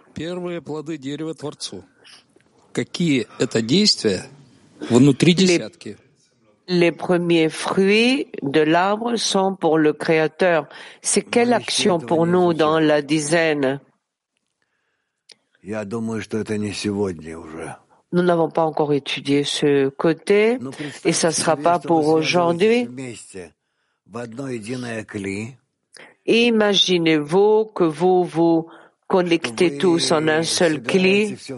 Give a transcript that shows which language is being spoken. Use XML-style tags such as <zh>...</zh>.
<ru>Первые плоды дерева Творцу. Какие это действия внутри десятки?</ru> <fr>Les premiers fruits de l'arbre sont pour le Créateur. C'est quelle action pour nous dans la dizaine?</fr> <ru>Я думаю, что это не сегодня уже.</ru> <fr>Nous n'avons pas encore étudié ce côté et ça ne sera pas pour aujourd'hui.</fr> <ru>В одно единое кли.</ru> <fr>Imaginez-vous que vous connectés tous en un seul кли,</fr>